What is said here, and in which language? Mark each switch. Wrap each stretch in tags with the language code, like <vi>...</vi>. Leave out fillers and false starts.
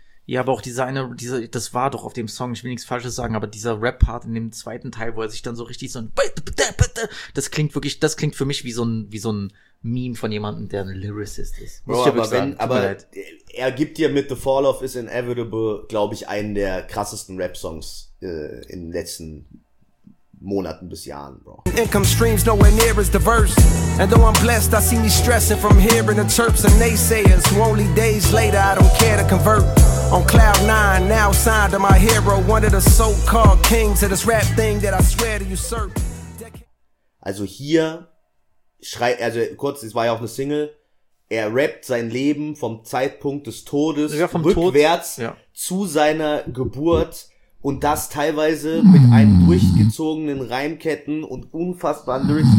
<de>Ja, aber auch dieser, das war doch auf dem Song, ich will nichts Falsches sagen, aber dieser Rap-Part in dem zweiten Teil, wo er sich dann so richtig so ein, das klingt für mich wie so ein Meme von jemandem, der ein Lyricist ist. Bro, aber er gibt dir mit The Fall Off is Inevitable, glaube ich, einen der krassesten Rap-Songs in den letzten Monaten bis Jahren, Bro.</de> <en>Income streams nowhere near as diverse. And though I'm blessed, I see me stressing from hearing the chirps and naysayers. Only days later, I don't care to convert. On cloud 9, now signed to my hero, one of the so-called kings of this rap thing that I swear to usurp.</en> <de>Also hier schreibt, also kurz, es war ja auch eine Single, er rappt sein Leben vom Zeitpunkt des Todes rückwärts zu seiner Geburt und das teilweise mit einem durchgezogenen Reimketten und unfassbaren Lyrics.</de>